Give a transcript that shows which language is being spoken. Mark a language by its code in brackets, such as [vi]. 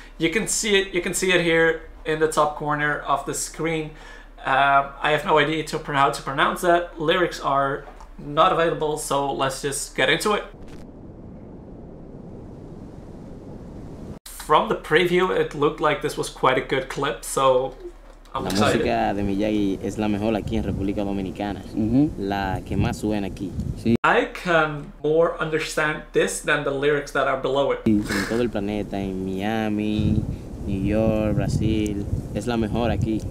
[en] You can see it here in the top corner of the screen. I have no idea how to pronounce that. Lyrics are not available, so let's just get into it. From the preview, it looked like this was quite a good clip, so I'm excited. [es] La música de Miyagi es la mejor aquí en República Dominicana. Mm-hmm. La que más suena aquí. Sí. [en] I can more understand this than the lyrics that are below it. [es] En todo el planeta, en Miami, New York, Brasil, es la mejor aquí.